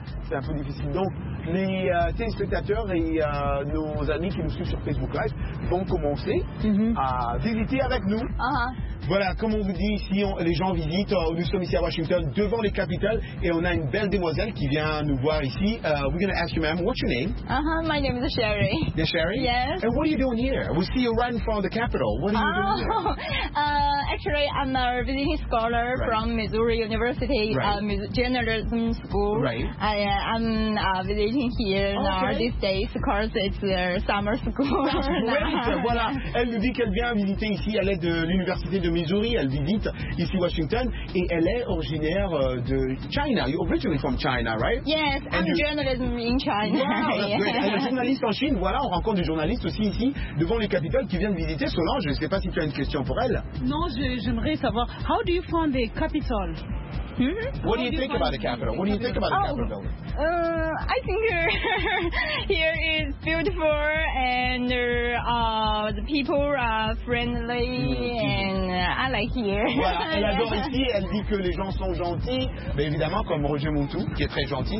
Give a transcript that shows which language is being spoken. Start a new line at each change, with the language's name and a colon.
French: C'est un peu difficile. Donc, les téléspectateurs et nos amis qui nous suivent sur Facebook Live vont commencer à visiter avec nous. Voilà, comme on vous dit ici, les gens visitent. Nous sommes ici à Washington, devant les Capitoles, et on a une belle demoiselle qui vient nous voir ici.
English: We're going to ask you, ma'am, what's your name? My name is Sherry. The Sherry? Yes. And what are you doing here? We see you right in front of the Capitol. What are you doing here? Actually, I'm a visiting scholar from Missouri University, Journalism School. I'm visiting here these days because it's their summer school.
French: Voilà, elle nous dit qu'elle vient visiter ici à l'aide de l'université de Missouri, elle visite ici Washington et elle est originaire de China.
English: You're originally from China, right? Yes, I'm a journalist in China. Wow, that's great.
French: Elle est journaliste en Chine. Voilà, on rencontre des journalistes aussi ici devant les Capitoles qui viennent visiter. Solange, je ne sais pas si tu as une question pour elle. Non, j'aimerais savoir,
English: how do you find the Capitol? What do you think about the Capitol? What do you think about the Capitol building? I think here is beautiful and the people are friendly and I like here.
French: Voilà, elle adore ici. Elle dit que les gens sont gentils. Mais évidemment, comme Roger Montou, qui est très gentil.